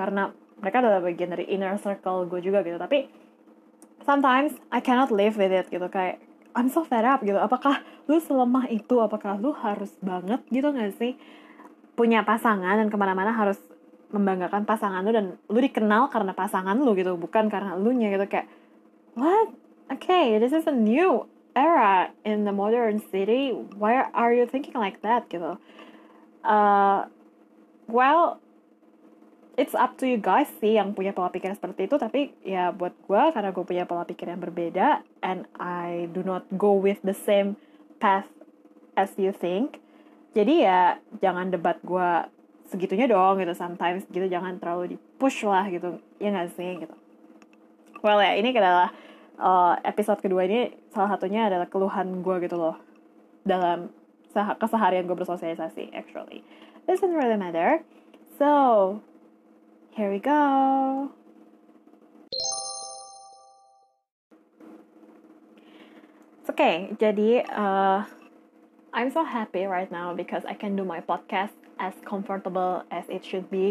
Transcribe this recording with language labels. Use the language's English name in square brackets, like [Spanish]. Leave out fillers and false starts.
[Indonesian] Karena mereka adalah bagian dari inner circle gue juga gitu. Tapi [English] sometimes I cannot live with it [Indonesian] gitu. Kayak [English] I'm so fed up [Indonesian] gitu. Apakah lu selemah itu? Apakah lu harus banget gitu gak sih? Punya pasangan dan kemana-mana harus membanggakan pasangan lu dan lu dikenal karena pasangan lu gitu, bukan karena elunya gitu. Kayak [English] what? Okay, this is a new era in the modern city. Why are you thinking like that gitu? Well, it's up to you guys [Indonesian] sih yang punya pola pikir seperti itu. Tapi ya buat gue, karena gue punya pola pikir yang berbeda [English] and I do not go with the same path as you think, [Indonesian] jadi ya jangan debat gue segitunya dong gitu. Sometimes gitu, jangan terlalu dipush lah gitu, ya gak sih gitu. Well ya, ini adalah episode kedua ini, salah satunya adalah keluhan gue gitu loh dalam keseharian gue bersosialisasi. [English] Actually doesn't really matter. So here we go. Okay, jadi I'm so happy right now because I can do my podcast as comfortable as it should be.